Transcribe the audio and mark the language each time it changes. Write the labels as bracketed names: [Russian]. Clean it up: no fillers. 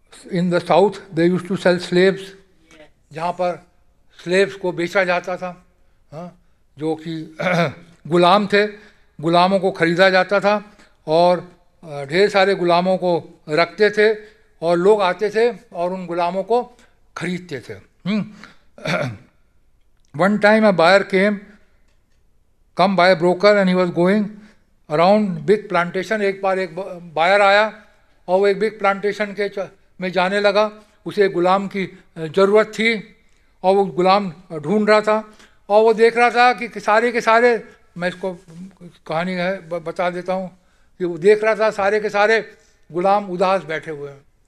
[English] in the south they use to sell slaves, [Hindi] जहाँ पर slaves को बेचा जाता था, जो कि गुलाम थे, गुलामों को ख़रीदा जाता था और ढेर सारे गुलामों को रखते थे और लोग आते थे और उन गुलामों को ख़रीदते थे। [English] One time a buyer came by a broker and he was going around big plantation. [Hindi] एक बार एक buyer आया और वो एक [English] big plantation [Hindi] के में जाने लगा. उसे एक गुलाम की ज़रूरत थी और वो गुलाम ढूंढ रहा था और वो देख रहा था कि सारे के सारे, मैं इसको कहानी है बता देता हूँ कि वो देख रहा था सारे के सारे गुलाम उदास बैठे हुए हैं.